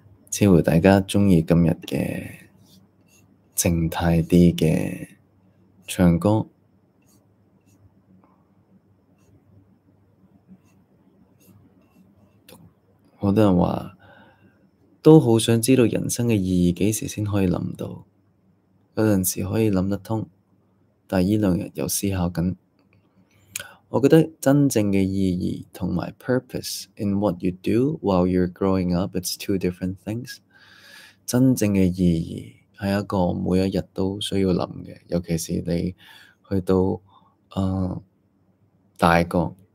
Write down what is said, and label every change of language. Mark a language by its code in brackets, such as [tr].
[zh] 似乎大家喜欢今天的静态一点的唱歌，很多人说都很想知道人生的意义何时才可以想到，有时候可以想得通，但这两天又在思考。我觉得真正的意义和 [en] my purpose in what you do while you're growing up, it's two different things。 [zh] 真正的意义是一个每一日都需要想的，尤其是你去到大个。